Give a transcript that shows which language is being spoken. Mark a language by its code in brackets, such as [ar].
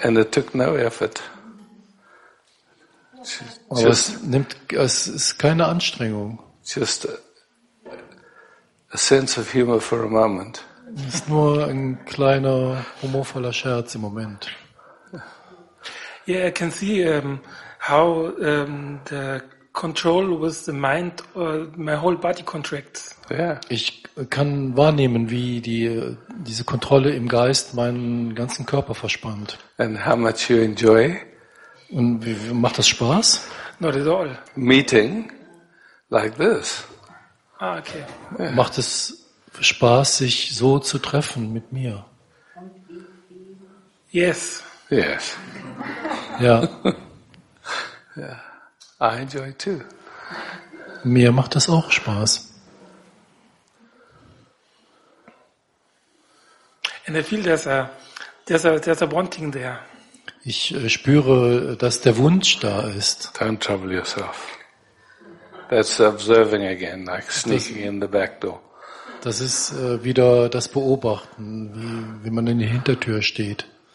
[en] And it took no effort. [de] Es ist keine Anstrengung. [en] Just a sense of humor for a moment. [de] Es ist nur ein kleiner humorvoller Scherz im Moment. [en] Yeah, I can see how the control with the mind or my whole body contracts. Yeah. [de] Ich kann wahrnehmen, wie diese Kontrolle im Geist meinen ganzen Körper verspannt. [en] And how much you enjoy? [de] Und wie macht das Spaß? [en] Not at all. Meeting like this. Ah, okay. Yeah. [de] Macht es Spaß, sich so zu treffen mit mir? [en] Yes. Yes. [de] Ja. [en] Yeah, I enjoy too. [de] Mir macht das auch Spaß. [en] And I feel there's a wanting there. [de] Ich spüre, dass der Wunsch da ist. [en] Don't trouble yourself. That's observing again, like sneaking in the back door. [de] Das ist wieder das Beobachten, wie man in die Hintertür steht.